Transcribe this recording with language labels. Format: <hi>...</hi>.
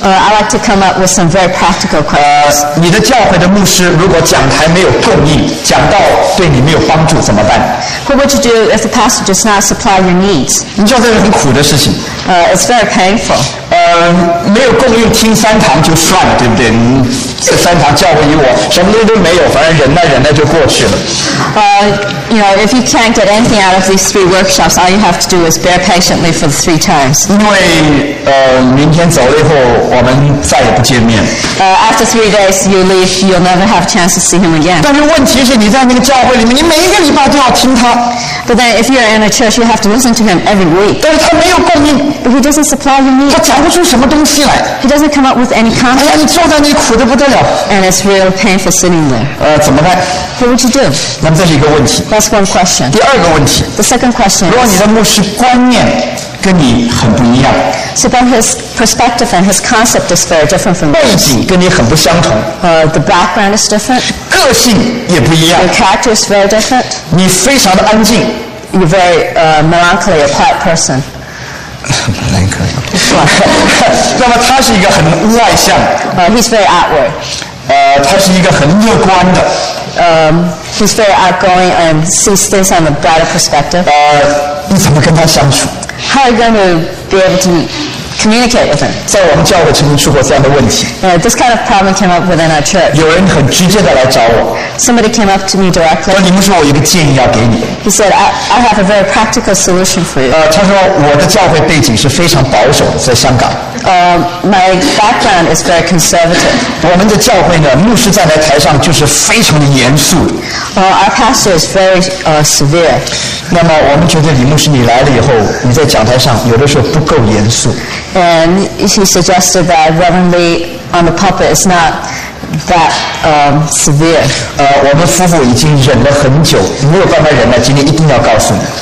<en>I'd like to come up with some very practical questions.</en> <zh>你的教会的牧师如果讲台没有供应，讲到对你没有帮助怎么办？</zh> <en>What would you do if the pastor does not supply your needs?</en> <zh>你知道这是很苦的事情。</zh> <en>It's very painful.</en> <zh>没有供应听三堂就算了，对不对？这三堂教会与我什么都没有，反正忍耐忍耐就过去了。</zh> <en>You know, if you can't get anything out of these three workshops, all you have to do is bear patiently for the three times.</en> <zh>因为明天走了以后，我们再也不见面。</zh> <en>After three days you leave, you'll never have a chance to see him again.</en> <zh>但是问题是你在那个教会里面，你每一个礼拜都要听他。</zh> <en>But then, if you're in a church, you have to listen to him every week.</en> <zh>但是他没有供应。</zh> <en>But he doesn't supply your needs.</en> <zh>他讲不出什么东西来。</zh> <en>He doesn't come up with any content.</en> <zh>哎呀，你坐在那里苦得不得了。</zh> <en>And it's really painful sitting there.</en> <zh>怎么办？</zh> <en>What would you do?</en> <zh>那么这是一个问题。</zh> <en>That's one question.</en> <zh>第二个问题。</zh> <en>The second question.</en> <zh>如果你的牧师观念跟你很不一样。</zh> <en>So then his perspective and his concept is very different from yours.</en> <zh>背景跟你很不相同。</zh> <en>The background is different.</en> <zh>个性也不一样。</zh> <en>Your character is very different.</en> <zh>你非常的安静。</zh> <en>You're very melancholy, a quiet person. Melancholy.</en> <zh>那么他是一个很外向。</zh> <en>He's very outward.</en> <zh>他是一个很乐观的。</zh> <en>He's very outgoing and sees things on a brighter perspective.</en> <zh>你怎么跟他相处？</zh> <en>How are you going to be able to communicate with him.</en> <zh>在我们教会曾经出过这样的问题。</zh> <en>This kind of problem came up within our church.</en> <zh>有人很直接地来找我。</zh> <en>Somebody came up to me directly.</en> <zh>说你们说我有个建议要给你。</zh> <en>He said, I have a very practical solution for you.</en> <zh>他说我的教会背景是非常保守，在香港。</zh> <en>My background is very conservative.</en> <zh>我们的教会呢，牧师站在台上就是非常的严肃。</zh> <en>Our pastor is very severe.</en> <zh>那么我们觉得李牧师你来了以后，你在讲台上有的时候不够严肃。</zh> <en>And he suggested that Reverend Lee on the pulpit is not that severe.</en> <zh>我们夫妇已经忍了很久，没有办法忍了，今天一定要告诉你。</zh>